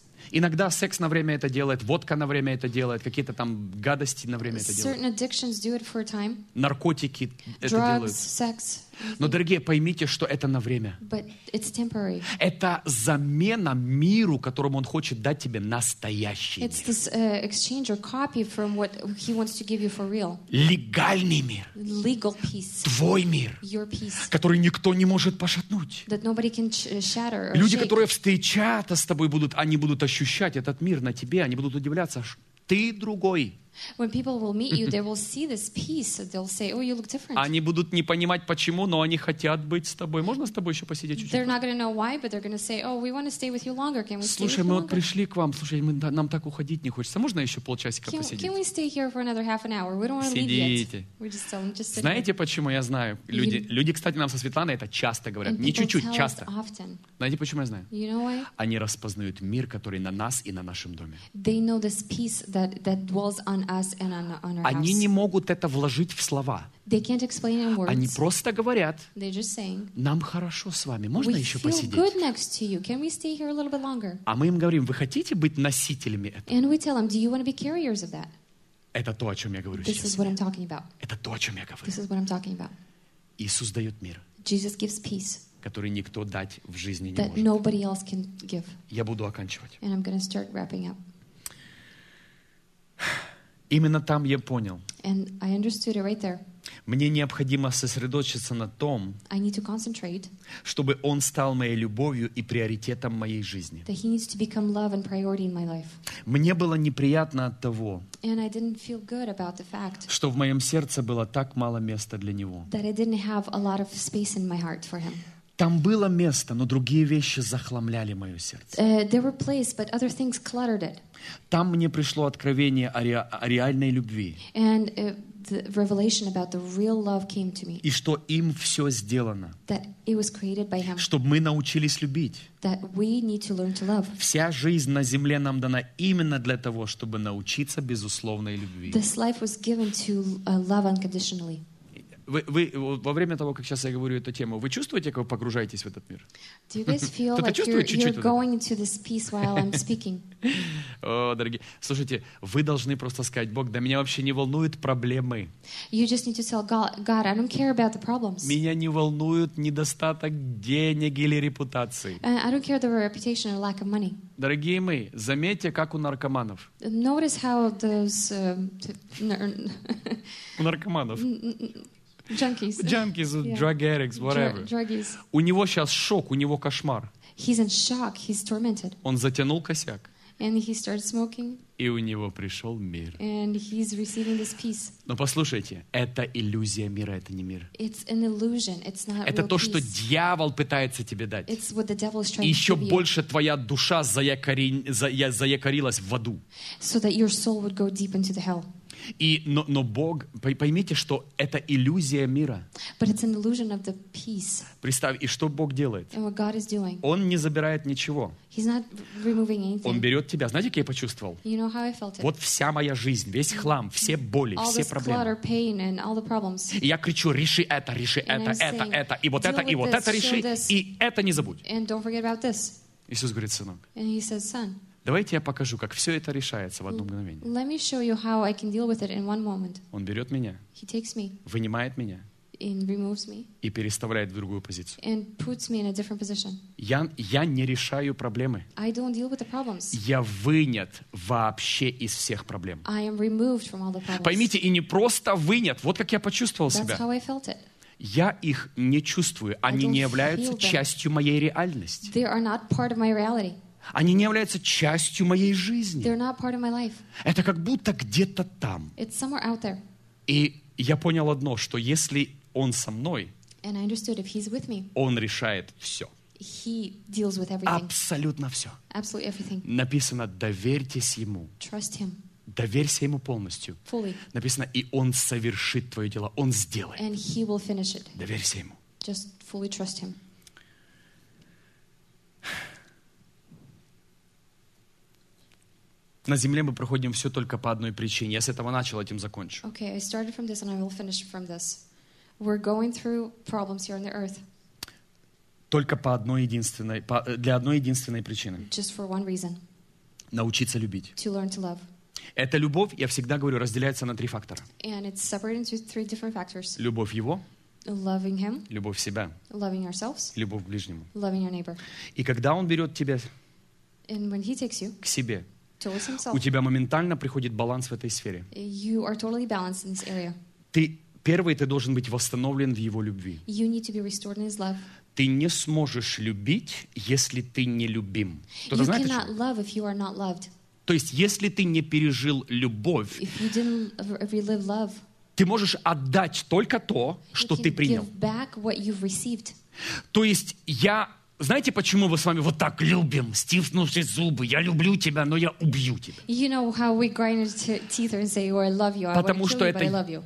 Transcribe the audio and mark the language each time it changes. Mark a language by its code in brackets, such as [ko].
[ru] Иногда секс на время это делает, водка на время это делает, какие-то там гадости на время [en] Certain [ru] это делают. [en] Do it for a time. [ru] Наркотики [en] Drugs, [ru] это делают. [en] Sex. [ru] Но, дорогие, поймите, что это на время. [en] But it's temporary. [ru] Это замена миру, которому он хочет дать тебе настоящий [en] it's this, exchange or copy from what he wants to give you for real. [ru] Легальный мир. [en] Legal peace. [ru] Твой мир. [en] Your peace. [ru] Который никто не может пошатнуть. [en] That nobody can shatter or [ru] Люди, [en] shake. [ru] Которые встречаются с тобой, будут, они будут ощущать этот мир на тебе, они будут удивляться, ты другой. [en] When people will meet you, they will see this peace. They'll say, "Oh, you look different." [ru] Они будут не понимать почему, но они хотят быть с тобой. Можно с тобой еще посидеть чуть-чуть? [en] They're not going to know why, but they're going to say, "Oh, we want to stay with you longer. Can we stay?" [ru] Слушай, мы вот пришли к вам. Слушай, нам так уходить не хочется. Можно еще полчасика посидеть? [en] Can we stay here for another half an hour? We don't want to leave yet. [ru] Знаете почему? Я знаю. Люди, кстати, нам со Светланой это часто говорят. Не чуть-чуть, часто. Знаете почему я знаю? [en] You know why? [ru] Они распознают мир, который на нас и на нашем доме. [en] They know this peace that dwells on us and on our house. [ru] Они не могут это вложить в слова. [en] They can't explain in words. [ru] Они просто говорят, [en] They're just saying, [ru] нам хорошо с вами, можно [en] we [ru] еще [en] feel [ru] посидеть? [en] Good next to you. Can we stay here a little bit longer? [ru] А мы им говорим, вы хотите быть носителями этого? [en] And we tell them, do you want to be carriers of that? [ru] Это то, о чем я говорю [en] This [ru] сейчас. [en] Is what I'm talking about. [ru] Это то, о чем я говорю. [en] This is what I'm talking about. [ru] Иисус дает мир. [en] Jesus gives peace. [ru] Который никто дать в жизни не [en] that [ru] может. [en] Nobody else can give. [ru] Я буду оканчивать. [en] And I'm going to start wrapping up. [ru] Именно там я понял. [en] And I understood it right there. [ru] Мне необходимо сосредоточиться на том, [en] I need to concentrate, [ru] чтобы он стал моей любовью и приоритетом моей жизни. [en] That he needs to become love and priority in my life. [ru] Мне было неприятно от того, [en] and I didn't feel good about the fact, [ru] что в моем сердце было так мало места для него. [en] That I didn't have a lot of space in my heart for him. [ru] Там было место, но другие вещи захламляли мое сердце. [en] There were places, but other things cluttered it. [ru] Там мне пришло откровение о реальной любви. [en] And the revelation about the real love came to me. [ru] И что им все сделано. [en] That it was created by him. [ru] Чтобы мы научились любить. [en] That we need to learn to love. [ru] Вся жизнь на земле нам дана именно для того, чтобы научиться безусловной любви. [en] This life was given to love unconditionally. [ru] Вы во время того, как сейчас я говорю эту тему, вы чувствуете, как вы погружаетесь в этот мир? [en] Do you guys feel like you're going into this peace while I'm speaking? [ru] О, дорогие, слушайте, вы должны просто сказать, Бог, да меня вообще не волнуют проблемы. [en] You just need to tell God, I don't care about the problems. [ru] Меня не волнует недостаток денег или репутации. [en] I don't care about the reputation or lack of money. [ru] Дорогие мои, заметьте, как у наркоманов. [en] Notice how those [ru] у наркоманов. [en] Junkies, yeah. Drug addicts, whatever. Druggies. [ru] У него сейчас шок, у него кошмар. [en] He's in shock, he's tormented. [ru] Он затянул косяк. [en] And he started smoking. [ru] И у него пришел мир. [en] And he's receiving this peace. [ru] Но послушайте, это иллюзия мира, это не мир. [en] It's an illusion. It's not [ru] это [en] real [ru] то, [en] peace. [ru] Что дьявол пытается тебе дать. [en] It's what the devil is trying [ru] И еще [en] to give [ru] больше [en] you. [ru] Твоя душа заякорилась в аду. [en] So that your soul would go deep into the hell. [ru] И, но Бог, поймите, что это иллюзия мира. [en] But it's an illusion of the peace. [ru] Представь, и что Бог делает? [en] And what God is doing. [ru] Он не забирает ничего. [en] He's not removing anything. [ru] Он берет тебя. Знаете, как я почувствовал? [en] You know how I felt it. [ru] Вот вся моя жизнь, весь хлам, все боли, [en] all [ru] все проблемы. [en] Clutter, pain, and all the problems. [ru] И я кричу, реши это, и вот это, и вот это реши, и это не забудь. [en] And don't forget about this. [ru] Иисус говорит, сынок. [en] And he says, son. [ru] Давайте я покажу, как все это решается в одно мгновение. [en] Let me show you how I can deal with it in one moment. [ru] Он берет меня. [en] He takes me. [ru] Вынимает меня. [en] and removes me. [ru] И переставляет в другую позицию. [en] And puts me in a different position. [ru] Я не решаю проблемы. [en] I don't deal with the problems. [ru] Я вынят вообще из всех проблем. [en] I am removed from all the problems. [ru] Поймите, и не просто вынят. Вот как я почувствовал себя. [en] That's how I felt it. [ru] Я их не чувствую. Они не являются частью моей реальности. [en] They are not part of my reality. [ru] Они не являются частью моей жизни. [en] They're not part of my life. [ru] Это как будто где-то там. [en] It's somewhere out there. [ru] И я понял одно, что если он со мной, [en] and I understood if he's with me, [ru] он решает все. [en] He deals with everything. [ru] Абсолютно все. [en] Absolutely everything. [ru] Написано, доверьтесь ему. [en] Trust him. [ru] Доверься ему полностью. [en] Fully. [ru] Написано, и он совершит твое дело. Он сделает. [en] And he will finish it. [ru] Доверься ему. [en] Just fully trust him. [ru] На земле мы проходим все только по одной причине. Я с этого начал, этим закончу. [en] Okay, I started from this and I will finish from this. We're going through problems here on the earth. [ru] Только по одной единственной, для одной единственной причины. [en] Just for one reason. [ru] Научиться любить. [en] To learn to love. [ru] Эта любовь, я всегда говорю, разделяется на три фактора. [en] And it's separated into three different factors. [ru] Любовь его. [en] Loving him. [ru] Любовь себя. [en] Loving ourselves. [ru] Любовь к ближнему. [en] Loving your neighbor. [ru] И когда он берет тебя. [en] And when he takes you. [ru] К себе. У тебя моментально приходит баланс в этой сфере. [en] You are totally balanced in this area. [ru] Ты должен быть восстановлен в его любви. [en] You need to be restored in his love. [ru] Ты не сможешь любить, если ты не любим. [en] You cannot love if you are not loved. [ru] То есть, если ты не пережил любовь, [en] if you didn't relive love, [ru] ты можешь отдать только то, что ты принял. [en] Give back what you've received. [ru] То есть, я... Знаете, почему мы с вами вот так любим, стиснувшись зубы? Я люблю тебя, но я убью тебя. [en] You know how we grind our teeth and say, oh, I love you, I want to kill you, but I love you.